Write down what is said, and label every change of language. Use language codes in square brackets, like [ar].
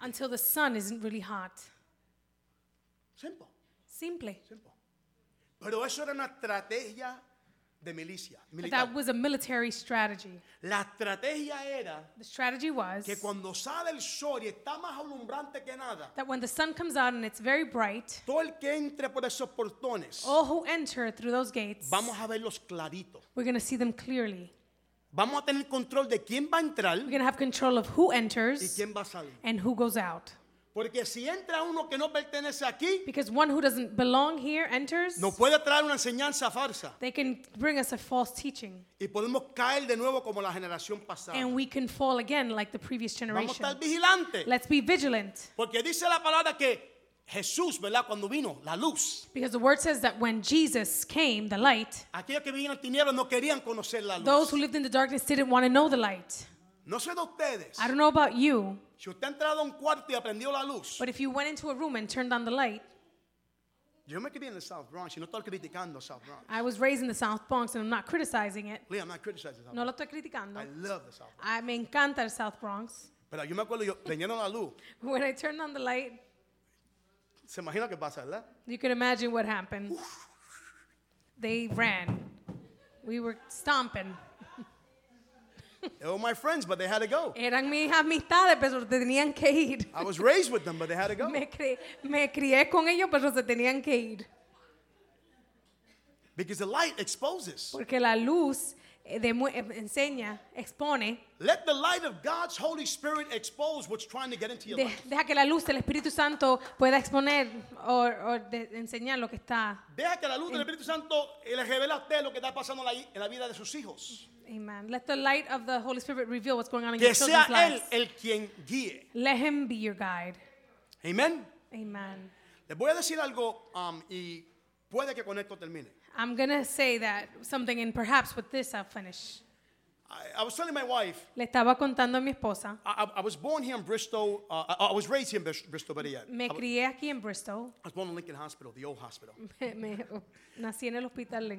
[en] until the sun isn't really hot. [es] Simple. Pero eso era una estrategia de milicia, militar. [en] But that was a military strategy. [es] La estrategia era, [en] the strategy was [es] que cuando sale el sol y está más alumbrante que nada, [en] that when the sun comes out and it's very bright, [es] todo el que entre por esos portones, [en] all who enter through those gates, [es] vamos a verlos clarito. [en] We're going to see them clearly. [es] Vamos a tener control de quién va a entrar, [en] we're going to have control of who enters [es] y quién va a salir, [en] and who goes out. [es] Porque si entra uno que no pertenece aquí, [en] because one who doesn't belong here enters, [es] no puede traer una enseñanza falsa. [en] They can bring us a false teaching. [es] Y podemos caer de nuevo como la generación pasada. [en] And we can fall again like the previous generation. [es] Vamos a estar vigilantes. [en] Let's be vigilant. [es] Porque dice la palabra que Jesús, ¿verdad? Cuando vino, la luz. [en] Because the word says that when Jesus came, the light, [es] aquellos que vivían en tinieblas no querían conocer la luz. [en] Those who lived in the darkness didn't want to know the light. [es] No sé de ustedes. [en] I don't know about you. [es] Si usted ha entrado a un cuarto y aprendió la luz. [en] But if you went into a room and turned on the light. [es] Yo me crié en el South Bronx y no estoy criticando el South Bronx. [en] I was raised in the South Bronx and I'm not criticizing it. Lee, I'm not criticizing South Bronx. [es] No lo estoy criticando. [en] I love the South Bronx. [es] Me encanta el South Bronx. Pero yo me acuerdo yo prendiendo la luz. [en] When I turned on the light. [es] Se imagina qué pasa, ¿verdad? [en] You can imagine what happened. They ran. We were stomping. They were my friends, but they had to go. [es] Eran mis amistades, pero se tenían que ir. [en] I was raised with them, but they had to go. [es] Me crié con ellos, pero se tenían que ir. [en] Because the light exposes. [es] Porque la luz enseña, expone. [en] Let the light of God's Holy Spirit expose what's trying to get into your life. [es] Deja que la luz del Espíritu Santo pueda exponer o enseñar lo que está. Deja que la luz del Espíritu Santo le revele a usted lo que está pasando en la vida de sus hijos. Amen. [en] Let the light of the Holy Spirit reveal what's going on in [es] que [en] your children's [es] sea él el quien guíe. [en] Let him be your guide. Amen. Amen. [es] Le voy a decir algo, y puede que con esto termine. [en] I'm going to say that something, and perhaps with this I'll finish. I was telling my wife. [es] Le estaba contando a mi esposa. [en] I was born here in Bristol. I was raised here in Bristol, but yet. [es] Me crié aquí en Bristol. [en] I was born in Lincoln Hospital, the old hospital. [es] Nací en el hospital Lincoln.